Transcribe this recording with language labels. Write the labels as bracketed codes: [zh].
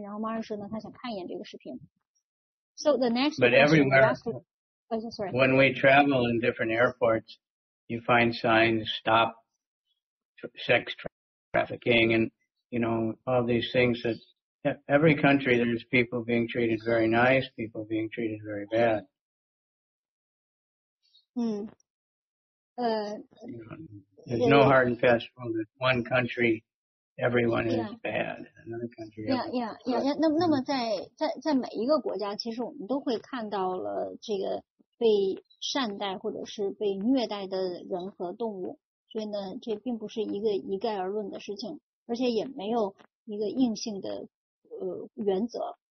[zh] 然后马尔说呢，他想看一眼这个视频。 [en] So the next. But everywhere. Sorry. When we travel in different airports, you find signs stop. Sex trafficking and, you know, all these things that every country there's people being treated very nice, people being treated very bad. There's no hard and fast rule that one country, everyone is bad. Another country. Yeah. [zh] 那么在每一个国家，其实我们都会看到了这个被善待或者是被虐待的人和动物。所以呢，这并不是一个一概而论的事情，而且也没有一个硬性的原则。